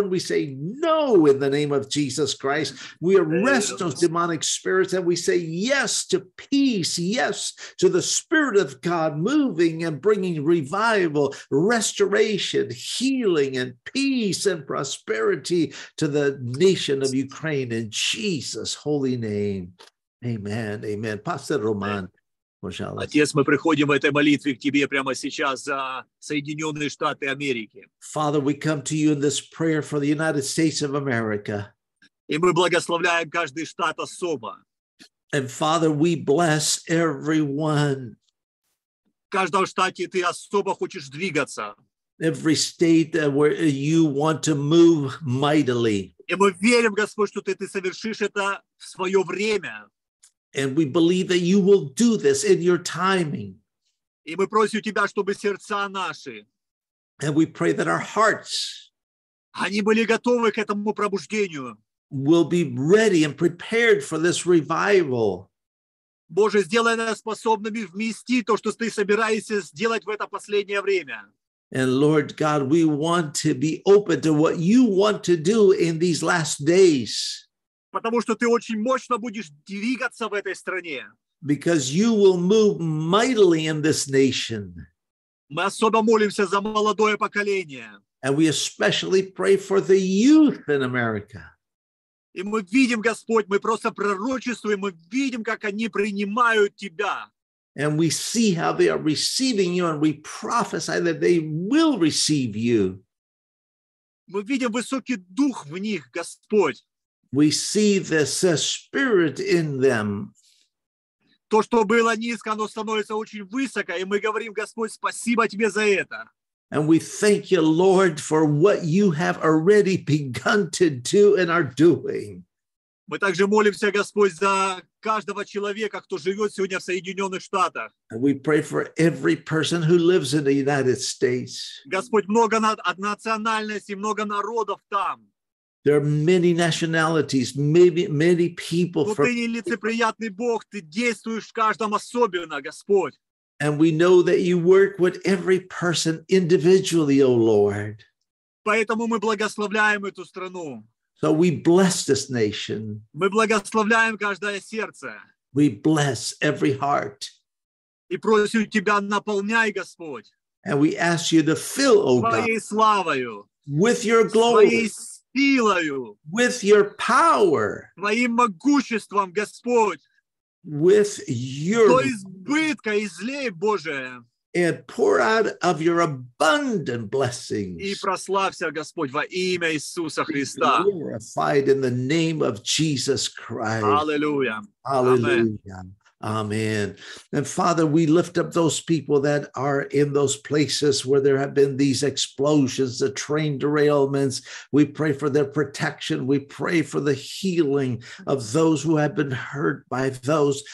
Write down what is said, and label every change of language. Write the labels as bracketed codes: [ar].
[en] And we say no in the name of Jesus Christ. We arrest those demonic spirits, and we say yes to peace, yes to the Spirit of God moving and bringing revival, restoration, healing, and peace and prosperity to the nation of Ukraine, in Jesus' holy name. Amen, amen. [ru] Pastor Roman, пожалуйста. Отец, мы приходим в этой молитве к Тебе прямо сейчас за Соединенные Штаты Америки. [en] Father, we come to you in this prayer for the United States of America. [ru] И мы благословляем каждый штат особо. [en] And Father, we bless everyone. [ru] В каждом штате Ты особо хочешь двигаться. [en] Every state where you want to move mightily. [ru] И мы верим, Господь, что ты совершишь это свое время. [en] And we believe that you will do this in your timing. [ru] И мы просим тебя, чтобы сердца наши, [en] and we pray that our hearts, [ru] они были готовы к этому пробуждению, [en] will be ready and prepared for this revival. [ru] Боже, сделай нас способными вместить то, что ты собираешься сделать в это последнее время. [en] And Lord God, we want to be open to what you want to do in these last days. [ru] Потому что ты очень мощно будешь двигаться в этой стране. [en] Because you will move mightily in this nation. [ru] Мы особо молимся за молодое поколение. [en] And we especially pray for the youth in America. [ru] И мы видим, Господь, мы просто пророчествуем, мы видим, как они принимают тебя. [en] And we see how they are receiving you, and we prophesy that they will receive you. [ru] Мы видим высокий дух в них, Господь. [en] We see this spirit in them. [ru] То, что было низко, оно становится очень высоко, и мы говорим, Господь, спасибо тебе за это. [en] And we thank you, Lord, for what you have already begun to do and are doing. [ru] Мы также молимся, Господь, за каждого человека, кто живет сегодня в Соединенных Штатах. [en] And we pray for every person who lives in the United States. [ru] Господь, много национальностей, много народов там. [en] There are many nationalities, maybe many people. [ru] Но ты не лицеприятный Бог, ты действуешь в каждом особенно, Господь. [en] And we know that you work with every person individually, O Lord. [ru] Поэтому мы благословляем эту страну. [en] So we bless this nation. [ru] Мы благословляем каждое сердце. [en] We bless every heart. [ru] И просим тебя, наполняй, Господь. [en] And we ask you to fill, O God, [ru] своей славою, [en] with your glory, [ru] своей силою, [en] with your power, [ru] своим могуществом, Господь. [en] With your [ru] избытка, излей, Боже, [en] and pour out of your abundant blessings. [ru] И прославься, Господь, во имя Иисуса Христа. [en] Be glorified in the name of Jesus Christ. Hallelujah. Hallelujah. Amen. Amen. And Father, we lift up those people that are in those places where there have been these explosions, the train derailments. We pray for their protection. We pray for the healing of those who have been hurt by those.